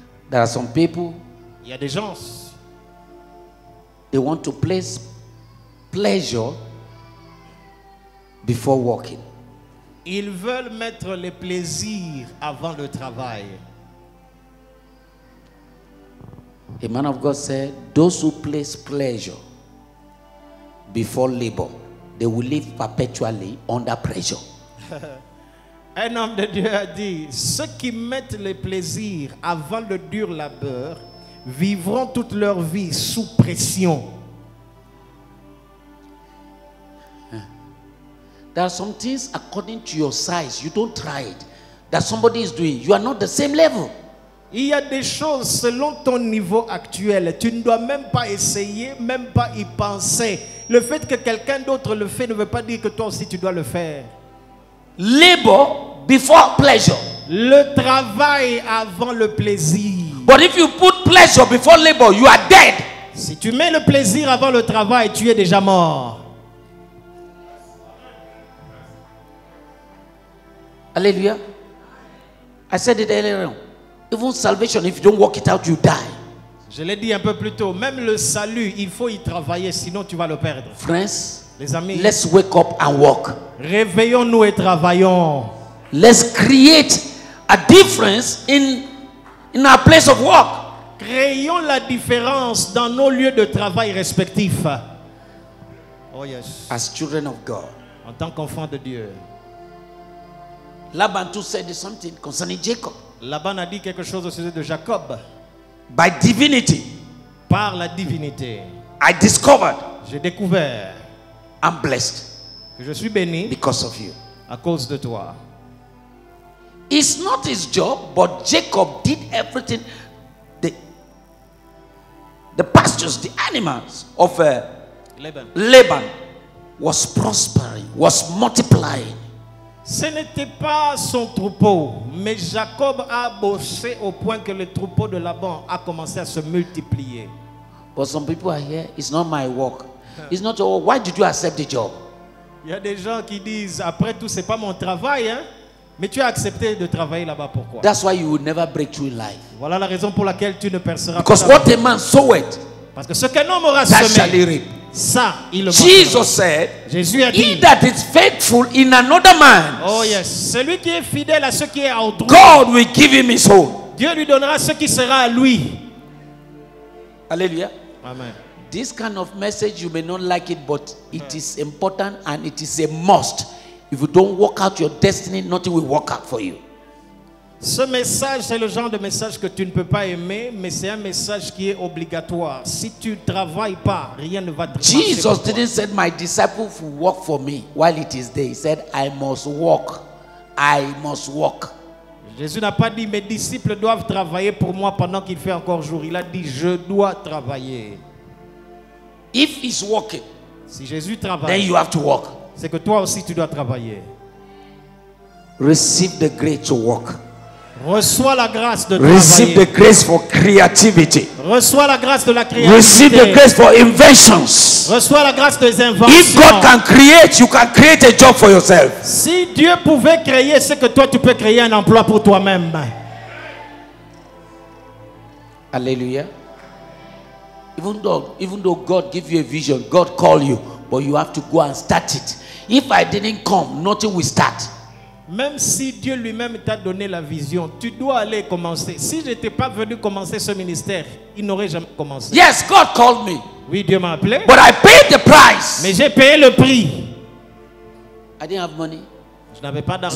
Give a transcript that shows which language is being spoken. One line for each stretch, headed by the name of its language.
English: There are some people.
French: Il y a des gens.
English: They want to place pleasure before working.
French: Ils veulent mettre les plaisirs avant le travail.
English: A man of God said, "Those who place pleasure before labor, they will live perpetually under pressure."
French: Un homme de Dieu a dit, ceux qui mettent les plaisirs avant le dur labeur vivront toute leur vie sous pression.
English: There are some things according to your size, you don't try it, that somebody is doing. You are not the same level.
French: Il y a des choses selon ton niveau actuel. Tu ne dois même pas essayer, même pas y penser. Le fait que quelqu'un d'autre le fait ne veut pas dire que toi aussi tu dois le faire.
English: Labor before pleasure.
French: Le travail avant le plaisir.
English: But if you put pleasure before labor, you are dead.
French: Si tu mets le plaisir avant le travail, tu es déjà mort.
English: Alléluia. I said it earlier. Even salvation, if you don't work it out, you die.
French: Je l'ai dit un peu plus tôt. Même le salut, il faut y travailler, sinon tu vas le perdre.
English: Friends,
French: les amis,
English: let's wake up and work.
French: Réveillons-nous et travaillons.
English: Let's create a difference in our place of work.
French: Créons la différence dans nos lieux de travail respectifs.
English: Oh yes. As children of God.
French: En tant qu'enfants de Dieu.
English: Laban too said something concerning Jacob.
French: Laban a dit quelque chose au sujet de Jacob.
English: By divinity.
French: Par la divinité.
English: I discovered.
French: J'ai découvert.
English: I'm blessed.
French: Que je suis béni.
English: Because of you.
French: À cause de toi.
English: It's not his job, but Jacob did everything. The pastures, the animals of Laban was prospering, was multiplying.
French: Ce n'était pas son troupeau, mais Jacob a bossé au point que le troupeau de Laban a commencé à se multiplier.
English: But some people are here, it's not my work. It's not your work. Why did you accept the job?
French: Il y a des gens qui disent, après tout, ce n'est pas mon travail, hein? Mais tu as accepté de travailler là-bas, pourquoi?
English: That's why you will never break through in life.
French: Voilà la raison pour laquelle tu ne perceras pas.
English: Because what a man soweth,
French: parce que ce qu'un homme aura semé,
English: that shall he reap.
French: Ça, il le
English: Jesus said,
French: Jésus a dit,
English: he that is faithful in another man. Oh yes,
French: celui qui est fidèle à ce qui est à autrui.
English: God will give him his own.
French: Dieu lui donnera ce qui sera à lui. Alléluia. Amen.
English: This kind of message you may not like it, but it is important and it is a must. If you don't work out your destiny, nothing will work out for you.
French: Ce message, c'est le genre de message que tu ne peux pas aimer, mais c'est un message qui est obligatoire. Si tu ne travailles pas, rien ne va te marcher.
English: Jesus didn't say my disciples will work for me while it is day. He said, I must work. I must work.
French: Jésus n'a pas dit mes disciples doivent travailler pour moi pendant qu'il fait encore jour. Il a dit je dois travailler.
English: If he's working,
French: si Jésus travaille,
English: then you have to work.
French: C'est que toi aussi tu dois travailler.
English: Receive the grace to work.
French: Reçois la grâce de
English: receive
French: travailler.
English: The grace for creativity.
French: Reçois la grâce de la créativité.
English: Receive the grace for inventions.
French: Reçois la grâce des inventions.
English: If God can create, you can create a job for yourself.
French: Si Dieu pouvait créer, c'est que toi tu peux créer un emploi pour toi-même. Alléluia.
English: Even though God give you a vision, God call you, but you have to go and start it. If I didn't come, nothing will start.
French: Même si Dieu lui-même t'a donné la vision, tu dois aller commencer. Si je n'étais pas venu commencer ce ministère, il n'aurait jamais commencé.
English: Yes, God called me.
French: Oui, Dieu m'a appelé.
English: But I paid the price.
French: Mais j'ai payé le prix.
English: I didn't have money.
French: Je n'avais pas d'argent.